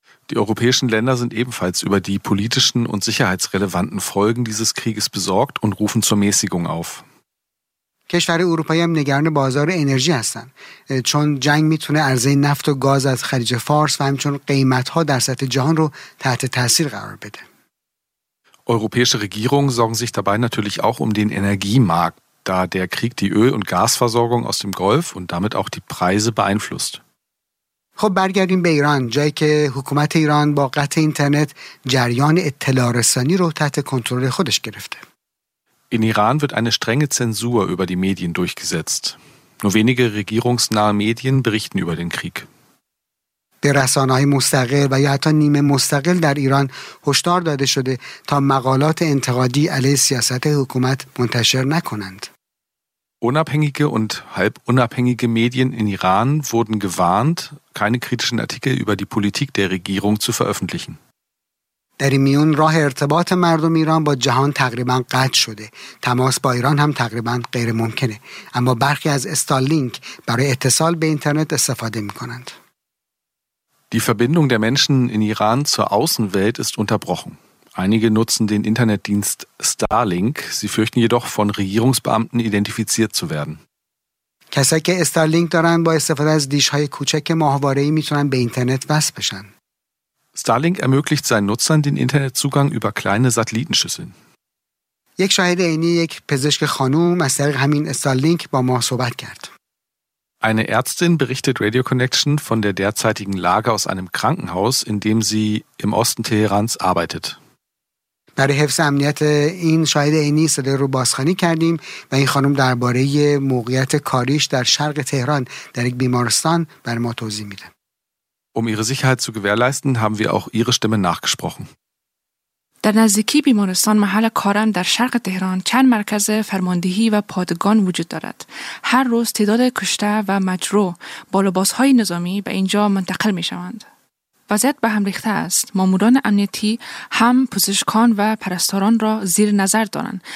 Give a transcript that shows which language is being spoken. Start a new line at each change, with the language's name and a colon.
German: Die europäischen Länder sind ebenfalls über die politischen und sicherheitsrelevanten Folgen dieses Krieges besorgt und rufen zur Mäßigung auf.
Persian: کشورهای اروپایی هم نگران بازار انرژی هستن چون جنگ میتونه عرضه نفت و گاز از خلیج فارس و همچنین قیمت‌ها در سطح جهان رو تحت تاثیر قرار بده.
German: Europäische Regierungen sorgen sich dabei natürlich auch um den Energiemarkt, da der Krieg die Öl- und Gasversorgung aus dem Golf und damit auch die Preise beeinflusst.
Persian: خب برگردیم به ایران، جایی که حکومت ایران با قطع اینترنت جریان اطلاع رسانی رو تحت کنترل خودش گرفته.
German: In Iran wird eine strenge Zensur über die Medien durchgesetzt. Nur wenige regierungsnahe Medien berichten über den Krieg.
Persian: به رسانه‌های مستقل و یا حتی نیمه مستقل در ایران هشدار داده شده تا مقالات انتقادی علیه سیاست حکومت منتشر نکنند.
German: Unabhängige und halb unabhängige Medien in Iran wurden gewarnt, keine kritischen Artikel über die Politik der Regierung zu veröffentlichen.
Persian: در این میون راه ارتباط مردم ایران با جهان تقریبا قطع شده. تماس با ایران هم تقریبا غیر ممکنه. اما برخی از استارلینک برای اتصال به اینترنت استفاده می‌کنند.
German: Die Verbindung der Menschen in Iran zur Außenwelt ist unterbrochen. Einige nutzen den Internetdienst Starlink. Sie fürchten jedoch von Regierungsbeamten identifiziert zu werden.
Persian: کسایی که استارلینک دارن با استفاده از دیش‌های کوچک ماهواره‌ای میتونن به اینترنت وصل بشن.
German: Starlink ermöglicht seinen Nutzern den Internetzugang über kleine Satellitenschüsseln.
Persian: یک شاهد عینی یک پزشک خانوم از طریق همین استارلینک با ما صحبت کرد.
German: Eine Ärztin berichtet Radio Connection von der derzeitigen Lage aus einem Krankenhaus, in dem sie im Osten Teherans arbeitet.
Persian: برای حفظ امنیت این شاهد عینی صدای رو بازخوانی کردیم و این خانم درباره موقعیت کاریش در شرق تهران در یک بیمارستان بر ما توضیح میده.
German: Um ihre Sicherheit zu gewährleisten, haben wir auch ihre Stimme nachgesprochen.
Persian: در نزدیکی بیمارستان محل کارم در شرق تهران چند مرکز فرماندهی و پادگان وجود دارد. هر روز تعداد کشته و مجروح با لباس‌های نظامی به اینجا منتقل می‌شوند. وضعیت به هم ریخته است. ماموران امنیتی هم پزشکان و پرستاران را زیر نظر دارند.